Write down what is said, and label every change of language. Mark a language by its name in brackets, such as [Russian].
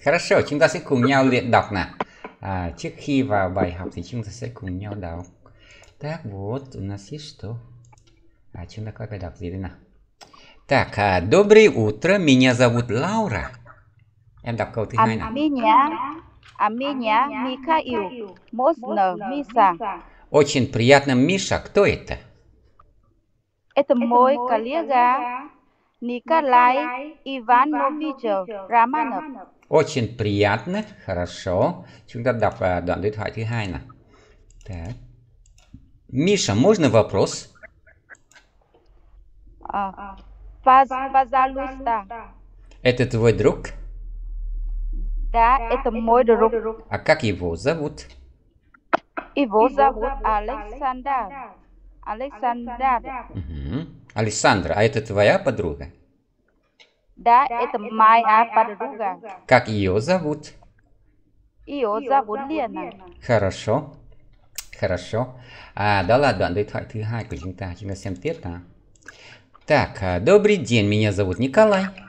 [Russian] Хорошо, [Vietnamese] chúng ta sẽ cùng nhau luyện đọc nè. Trước khi vào bài học thì chúng ta sẽ cùng nhau đọc. [Russian] Так вот, у нас есть что? [Vietnamese] Chúng ta coi bài đọc gì đây nào. [Russian] Так, доброе утро, меня зовут Лаура. [Vietnamese] Em đọc câu thứ hai [Russian] Аминья Михаил, можно Миша? Очень приятно, Миша. Кто это? Это мой коллега Николай Иванович Романов. Очень приятно. Хорошо. [Vietnamese] Chúng ta đọc đoạn đối thoại thứ hai nào. [Russian] Так. Миша, можно вопрос? Пожалуйста. Это твой друг? Да, это мой друг. А как его зовут? Его зовут Александр. Александр. Александр, а это твоя подруга? Да, это моя подруга. Как ее зовут? Ее зовут Лена. Хорошо. Хорошо. А, да ладно, [Vietnamese] đoạn đối thoại thứ hai của chúng ta. Chúng ta xem tiếp nào. [Russian] Так, добрый день, меня зовут Николай.